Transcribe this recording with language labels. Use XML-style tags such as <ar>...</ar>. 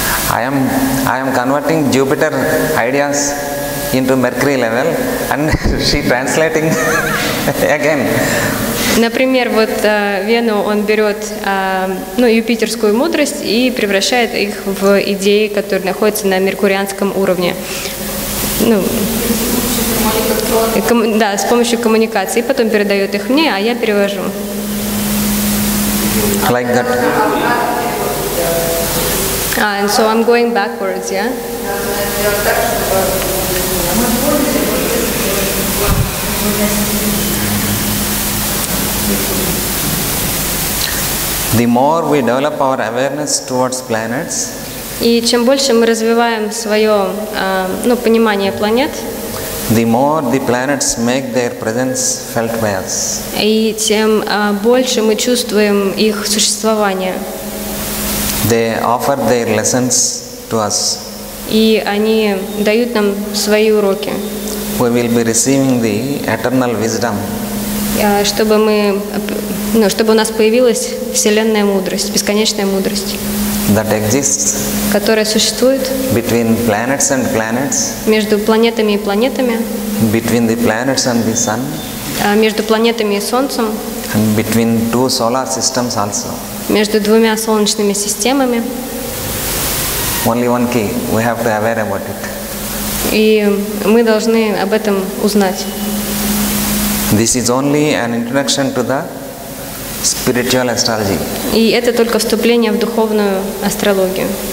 <en>I am converting Jupiter ideas into Mercury level, and she translating again.</en> <ru>Например, вот Вену он берет, ну, юпитерскую мудрость и превращает их в идеи, которые находятся на меркурианском уровне. Ну, да, с помощью коммуникации, потом передает их мне, а я перевожу.</ru> <en>Like that. And so I'm going backwards, yeah? The more we develop our awareness towards planets,</en> <ru>и чем больше мы развиваем свое, ну, понимание планет,</ru> <en>the more the planets make their presence felt by us.</en> <ru>И тем больше мы чувствуем их существование.</ru> <en>They offer their lessons to us.</en> <ru>И они дают нам свои уроки.</ru> <en>We will be receiving the eternal wisdom.</en> <ru>Чтобы мы, ну, чтобы у нас появилась вселенная мудрость, бесконечная мудрость.</ru> <en>That exists.</en> <ru>Которая существует.</ru> <en>Between planets and planets.</en> <ru>Между планетами и планетами.</ru> <en>Between the planets and the sun.</en> <ru>Между планетами и солнцем.</ru> <en>And between two solar systems also.</en> <ru>Между двумя солнечными системами.</ru> <en>Only one key. We have to aware about it.</en> <ru>И мы должны об этом узнать.</ru> <en>This is only an introduction to the spiritual astrology.</en> <ru>И это только вступление в духовную астрологию.</ru>